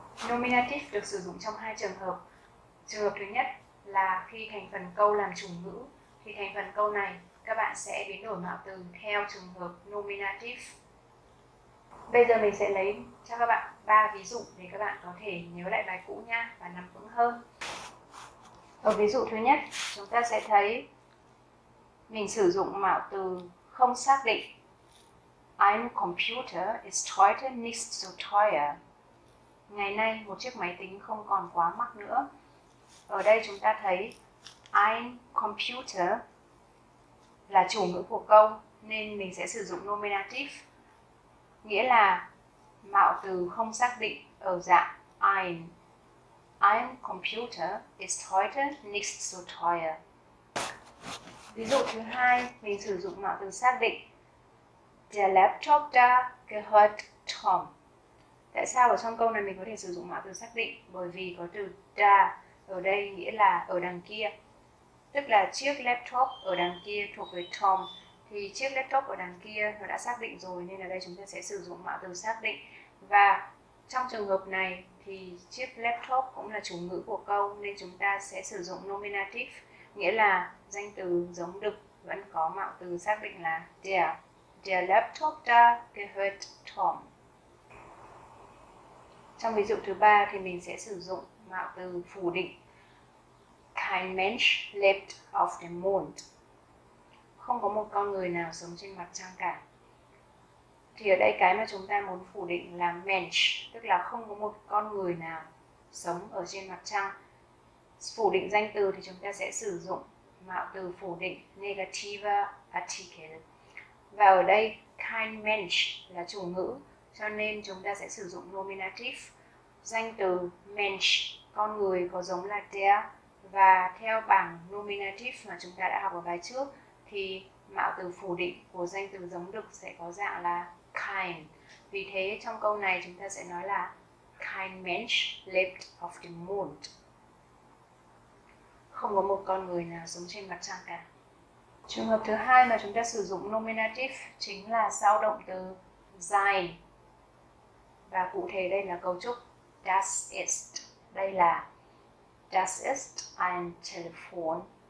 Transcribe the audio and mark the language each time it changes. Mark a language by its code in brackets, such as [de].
[vi] Nominative được sử dụng trong hai trường hợp. Trường hợp thứ nhất là khi thành phần câu làm chủ ngữ, thì thành phần câu này các bạn sẽ biến đổi mạo từ theo trường hợp nominative. Bây giờ mình sẽ lấy cho các bạn ba ví dụ để các bạn có thể nhớ lại bài cũ nha và nắm vững hơn. Ở ví dụ thứ nhất, chúng ta sẽ thấy mình sử dụng mạo từ không xác định. [de] Ein Computer ist heute nicht so teuer. [vi] Ngày nay một chiếc máy tính không còn quá mắc nữa. Ở đây chúng ta thấy Ein Computer là chủ ngữ của câu nên mình sẽ sử dụng nominative, nghĩa là mạo từ không xác định ở dạng ein. [de] Ein Computer ist heute nicht so teuer. [vi] Ví dụ thứ hai, mình sử dụng mạo từ xác định. [de] Der Laptop da gehört Tom. [vi] Tại sao ở trong câu này mình có thể sử dụng mạo từ xác định? Bởi vì có từ da ở đây nghĩa là ở đằng kia. Tức là chiếc laptop ở đằng kia thuộc về Tom. Thì chiếc laptop ở đằng kia nó đã xác định rồi nên ở đây chúng ta sẽ sử dụng mạo từ xác định. Và trong trường hợp này thì chiếc laptop cũng là chủ ngữ của câu nên chúng ta sẽ sử dụng nominative, nghĩa là danh từ giống đực vẫn có mạo từ xác định là [de] der Laptop da gehört Tom. [vi] Trong ví dụ thứ ba thì mình sẽ sử dụng mạo từ phủ định. [de] Kein Mensch lebt auf dem Mond. [vi] Không có một con người nào sống trên mặt trăng cả. Thì ở đây cái mà chúng ta muốn phủ định là Mensch, tức là không có một con người nào sống ở trên mặt trăng. Phủ định danh từ thì chúng ta sẽ sử dụng mạo từ phủ định negativa article. Và ở đây kein Mensch là chủ ngữ, cho nên chúng ta sẽ sử dụng nominative danh từ Mensch, con người có giống là der. Và theo bảng nominative mà chúng ta đã học ở bài trước thì mạo từ phủ định của danh từ giống đực sẽ có dạng là kein. Vì thế trong câu này chúng ta sẽ nói là [de] kein Mensch lebt auf dem Mond. [vi] Không có một con người nào sống trên mặt trăng cả. Trường hợp thứ hai mà chúng ta sử dụng nominative chính là sau động từ sein. Và cụ thể đây là cấu trúc das ist. Đây là [de] das ist ein Telefon.